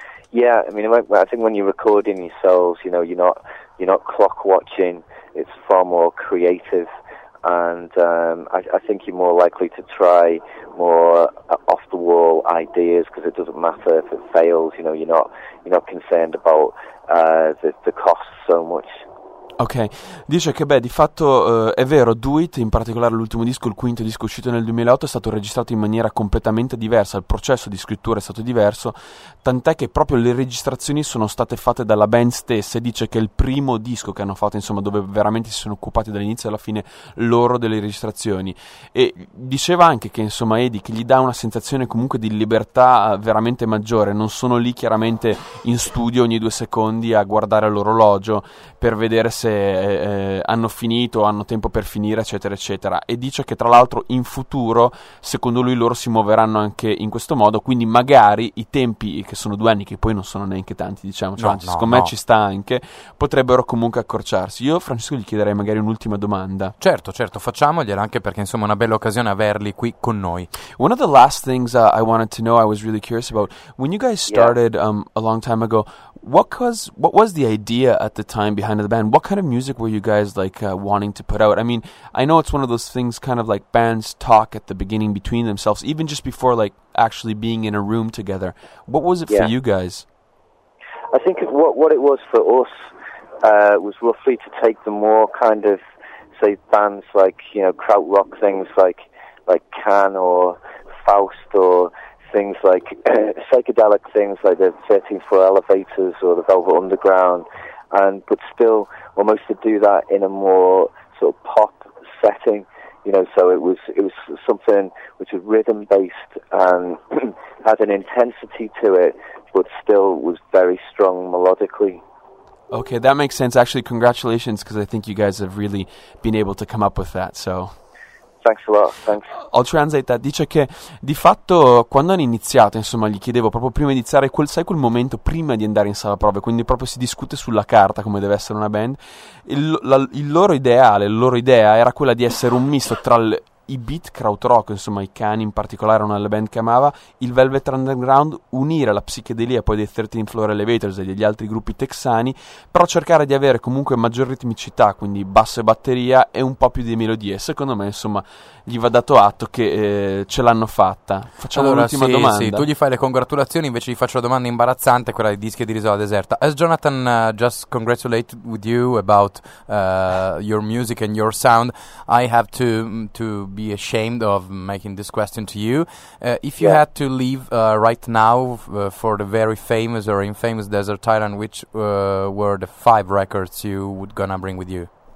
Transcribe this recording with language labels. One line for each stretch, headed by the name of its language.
English: Yeah, I mean, I think when you're recording yourselves, you know, you're not clock watching. It's far more creative, and I think you're more likely to try more off the wall ideas, because it doesn't matter if it fails. You know, you're not concerned about the cost so much.
Italian: Ok, dice che beh, di fatto è vero, Do It, in particolare l'ultimo disco, il quinto disco uscito nel 2008, è stato registrato in maniera completamente diversa, il processo di scrittura è stato diverso, tant'è che proprio le registrazioni sono state fatte dalla band stessa, e dice che è il primo disco che hanno fatto, insomma, dove veramente si sono occupati dall'inizio alla fine loro delle registrazioni, e diceva anche che, insomma, Eddie, che gli dà una sensazione comunque di libertà veramente maggiore, non sono lì chiaramente in studio ogni due secondi a guardare l'orologio per vedere se hanno finito, hanno tempo per finire, eccetera eccetera, e dice che tra l'altro in futuro secondo lui loro si muoveranno anche in questo modo, quindi magari i tempi, che sono due anni, che poi non sono neanche tanti, diciamo, cioè, no, secondo me ci sta anche, potrebbero comunque accorciarsi. Io, Francesco, gli chiederei magari un'ultima domanda. Certo, facciamogliela, anche perché insomma è una bella occasione averli qui con noi.
English: One of the last things I wanted to know, I was really curious about, when you guys started a long time ago, what was the idea at the time behind the band? What kind of music were you guys like wanting to put out? I mean, I know it's one of those things, kind of like bands talk at the beginning between themselves, even just before like actually being in a room together. What was it for you guys? I think what it was for us was roughly to take the more kind of, say, bands like, you know, krautrock, things like Can or Faust, or things like psychedelic things like the 13th Floor Elevators or the Velvet Underground. But still, almost to do that in a more sort of pop setting, you know. So it was something which was rhythm based and had an intensity to it, but still was very strong melodically. Okay, that makes sense. Actually, congratulations, because I think you guys have really been able to come up with that. So. Thanks a lot. Thanks. I'll translate that.
Italian: Dice che di fatto quando hanno iniziato, insomma, gli chiedevo proprio prima di iniziare, sai quel momento prima di andare in sala prove, quindi proprio si discute sulla carta come deve essere una band. La loro idea era quella di essere un misto tra i beat krautrock, insomma, i Can in particolare, una delle band che amava, il Velvet Underground, unire la psichedelia poi dei 13 Floor Elevators e degli altri gruppi texani, però cercare di avere comunque maggior ritmicità, quindi basso e batteria e un po' più di melodie. Secondo me, insomma, gli va dato atto che ce l'hanno fatta. Facciamo l'ultima domanda. Sì, tu gli fai le congratulazioni, invece gli faccio la domanda imbarazzante, quella di Dischi di Risola Deserta.
English: Has Jonathan just congratulated with you about your music and your sound? I have to be ashamed of making this question to you. If you had to leave right now for the very famous or infamous desert island, which were the five records you would gonna bring with you?